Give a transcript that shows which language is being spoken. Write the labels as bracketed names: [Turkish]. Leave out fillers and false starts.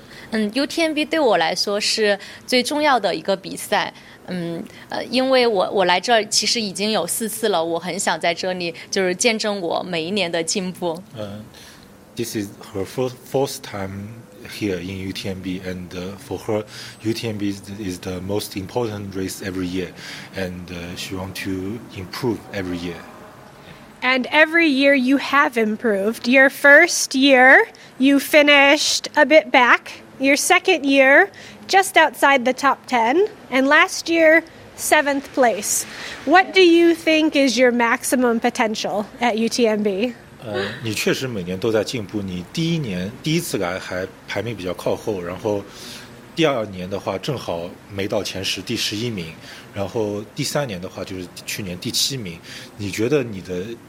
[Chinese] 嗯，UTMB 对我来说是最重要的一个比赛。因为我来这其实已经有四次了，我很想在这里就是见证我每一年的进步。This [English] is her fourth time here in UTMB, and for her, UTMB is the most important race every year, and she wants to improve every year. And every year you have improved. Your first year, you finished a bit back. Your second year, just outside the top 10. And last year, seventh place. What do you think is your maximum potential at UTMB? [Chinese] 你确实每年都在进步。你第一年第一次来还排名比较靠后，然后第二年的话正好没到前十，第十一名。然后第三年的话就是去年第七名。你觉得你的